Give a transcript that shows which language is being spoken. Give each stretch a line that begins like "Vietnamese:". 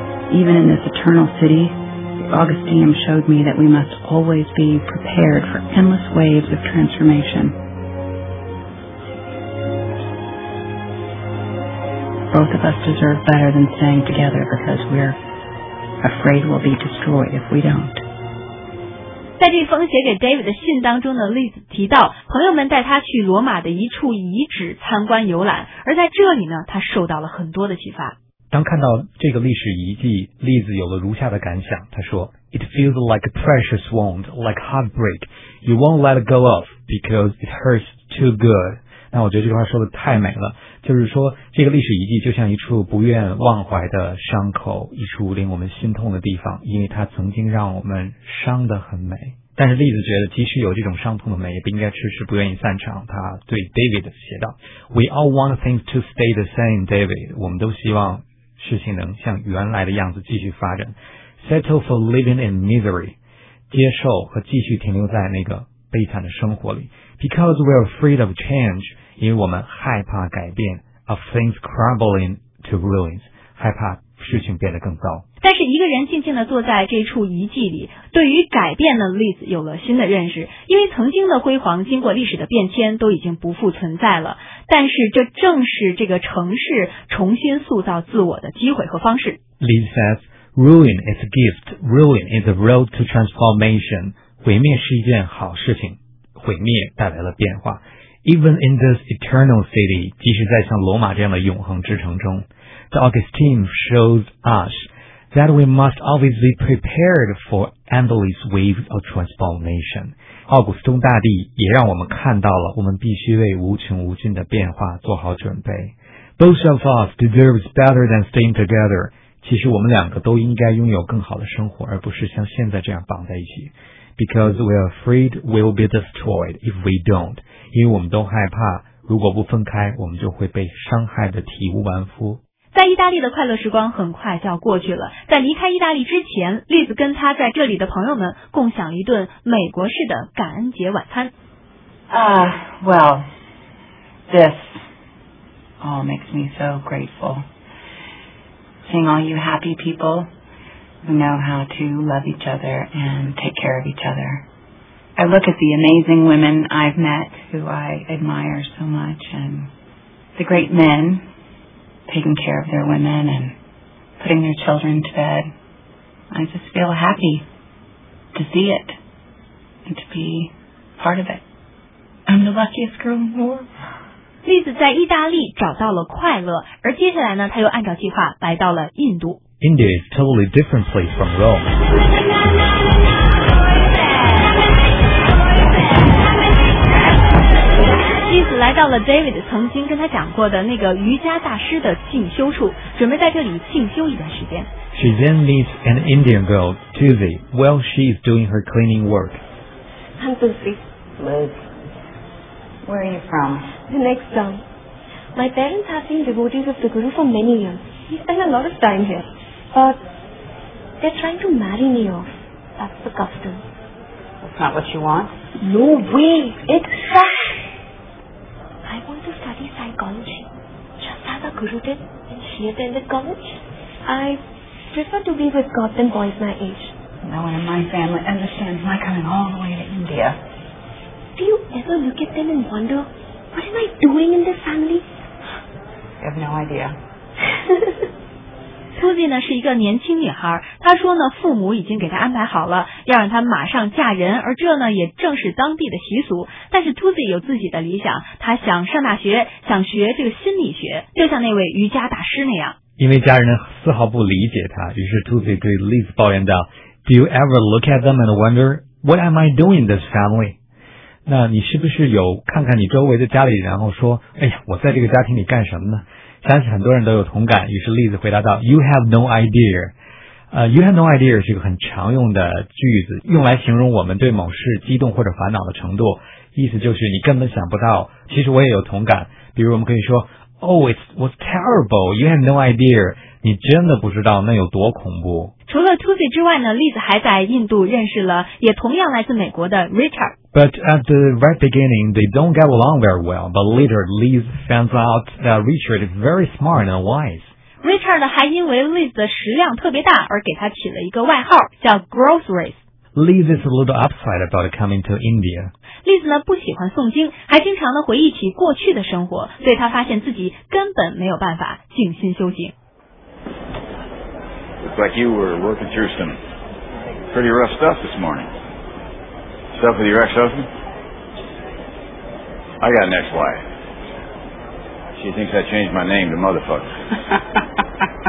English: even in this eternal city, Augustinum showed me that we must always be prepared for endless waves of transformation. Both of us deserve better than staying together because we're afraid we'll be destroyed if we don't.
Chinese: 在这封写给 David 的信当中呢 Liz 提到朋友们带他去罗马的一处遗址参观游览，而在这里呢他受到了很多的启发。当看到这个历史遗迹， Liz 有了如下的感想，他说
English: It feels like a precious wound, like heartbreak. You won't let it go off because it hurts too good.
Chinese: 那我觉得这句话说的太美了，就是说这个历史遗迹就像一处不愿忘怀的伤口，一处令我们心痛的地方，因为它曾经让我们伤得很美。但是栗子觉得即使有这种伤痛的美也不应该迟迟不愿意散场，他对 David 写道
English: We all want things to stay the same, David.
Chinese: 我们都希望事情能像原来的样子继续发展。
English: Settle for living in misery,
Chinese: 接受和继续停留在那个悲惨的生活里。
English: Because we're afraid of change,
Chinese: 因为我们害怕改变。
English: Of things crumbling to ruins,
Chinese: 害怕事情变得更糟。但是一个人静静地坐在这处遗迹里，对于改变的例子有了新的认识，因为曾经的辉煌经过历史的变迁都已经不复存在了，但是这正是这个城市重新塑造自我的机会和方式。
English: Liz says, Ruin is a gift. Ruin is a road to transformation.
Chinese: 毁灭是一件好事情，毁灭带来了变化。
English: Even in this eternal city,
Chinese: 即使在像罗马这样的永恒之城中，
English: The Augustine shows usThat we must always be prepared for endless waves of transformation.
Chinese: 奥古斯丁大帝也让我们看到了我们必须为无穷无尽的变化做好准备。
English: Both of us deserves better than staying together.
Chinese: 其实我们两个都应该拥有更好的生活，而不是像现在这样绑在一起。
English: Because we are afraid we'll be destroyed if we don't.
Chinese: 因为我们都害怕如果不分开我们就会被伤害得体无完肤。在意大利的快乐时光很快就要过去了，在离开意大利之前，栗子跟他在这里的朋友们共享了一顿美国式的感恩节晚餐。
English: Well, this all makes me so grateful. Seeing all you happy people who know how to love each other and take care of each other. I look at the amazing women I've met who I admire so much and the great men. Taking care of their women and putting their children to bed. I just feel happy to see it and to be part of it. I'm the luckiest girl in the world.
Chinese: Liz 在意大利找到了快乐，而接下来呢，他又按照计划来到了印度。
English: India is totally different place from Rome.
Chinese: Liz 来到了 David 曾经跟他讲过的那个瑜伽大师的进修处，准备在这里进修一段时间。
English: She then meets an Indian girl, Tuzi, while she is doing her cleaning work. I'm Tuzi. Liz, where are you from? The next town. My parents have been devotees of the Guru for many years. He spent a lot of time here. But they're trying to marry me off. That's the custom. That's not what you want? No way! It's trash! I want to study psychology, just as a guru did when she attended college. I prefer to be with God than boys my age. No one in my family understands my coming all the way to India. Do you ever look at them and wonder, what am I doing in this family? You have no idea.
Chinese: Tuzi 呢是一个年轻女孩，她说呢父母已经给她安排好了要让她马上嫁人，而这呢也正是当地的习俗，但是 Tuzi 有自己的理想，她想上大学，想学这个心理学，就像那位瑜伽大师那样。因为家人丝毫不理解她，于是 Tuzi 对 Liz 抱怨道
English: Do you ever look at them and wonder what am I doing in this family?
Chinese: 那你是不是有看看你周围的家里然后说哎呀我在这个家庭里干什么呢，相信很多人都有同感，于是例子回答道
English: You have no idea. You have no idea
Chinese: 是一个很常用的句子，用来形容我们对某事激动或者烦恼的程度，意思就是你根本想不到。其实我也有同感，比如我们可以说
English: Oh, it was terrible. You have no idea.
Chinese: 你真的不知道那有多恐怖。除了 Tuzi 之外呢，例子还在印度认识了也同样来自美国的 Richard。
English: But at the right beginning, they don't get along very well. But later, Liz finds out that Richard is very smart and wise.
Chinese: Richard 还因为 Liz 的食量特别大而给他起了一个外号叫 Groceries。
English: Liz is a little upset about coming to India.
Chinese: Liz 呢不喜欢诵经，还经常呢回忆起过去的生活，所以他发现自己根本没有办法静心修行。
English: Looks like you were working through some pretty rough stuff this morning. Stuff with your ex-husband? I got an ex-wife. She thinks I changed my name to motherfucker.